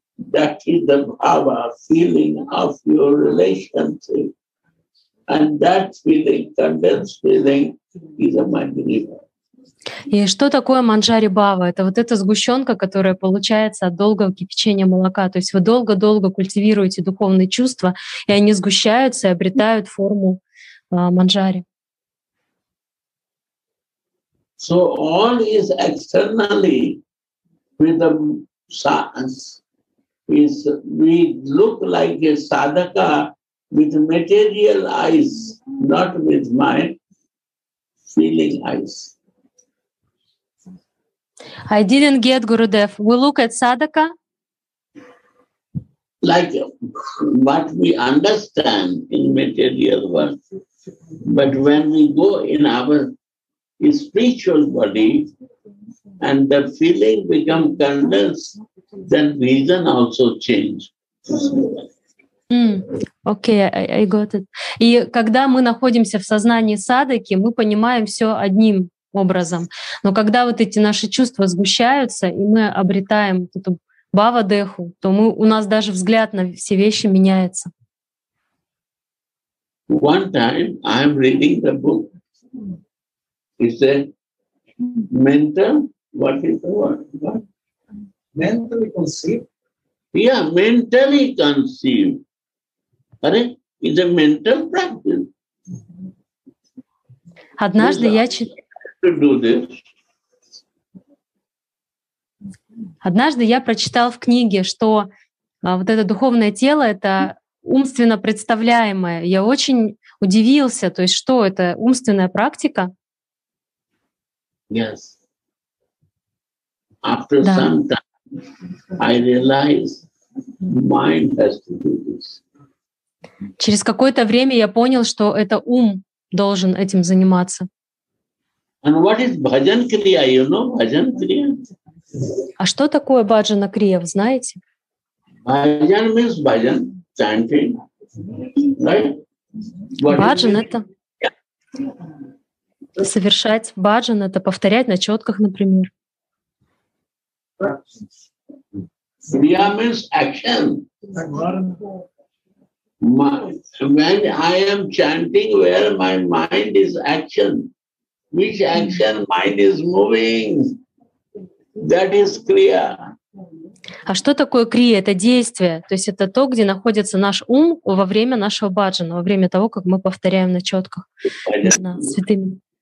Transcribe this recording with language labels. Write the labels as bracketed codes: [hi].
[en] That is the bhava, feeling of your relationship. And that feeling, condensed feeling, is a manjari. [ru] И что такое манджари бава? Это вот эта сгущенка, которая получается от долгого кипячения молока. То есть вы долго-долго культивируете духовные чувства, и они сгущаются и обретают форму манджари. [en] So all is externally with the science. Is we look like a sadhaka with material eyes, not with my feeling eyes. I didn't get Gurudev. We look at sadhaka like what we understand in material world. But when we go in our spiritual body and the feeling become condensed, then reason also change. Окей, I got it. [ru] И когда мы находимся в сознании садаки, мы понимаем все одним образом. Но когда вот эти наши чувства сгущаются, и мы обретаем эту бава-деху, то мы, у нас даже взгляд на все вещи меняется. [en] One time I'm reading the book. He said, mental, what is the word? Mentally conceived? Yeah, mentally conceived. Correct? It's a mental practice. [ru] Однажды я прочитал в книге, что вот это духовное тело — это умственно представляемое. Я очень удивился, то есть что это умственная практика? [en] Yes. After some time, I realized mind has to do this. [ru] Через какое-то время я понял, что это ум должен этим заниматься. [en] And what is bhajan kriya? You know bhajan kriya? [ru] А что такое bhajana kriya, вы знаете? [en] Bhajan means bhajan, chanting. Right? [ru] Bhajan — это совершать. Bhajan — это повторять на четках, например. [en] Kriya means action. When I am chanting, where my mind is action, which action mind is moving, that is kriya. [ru] А что такое крия? Это действие. То есть это то, где находится наш ум во время нашего баджана, во время того, как мы повторяем на четках, на святыми.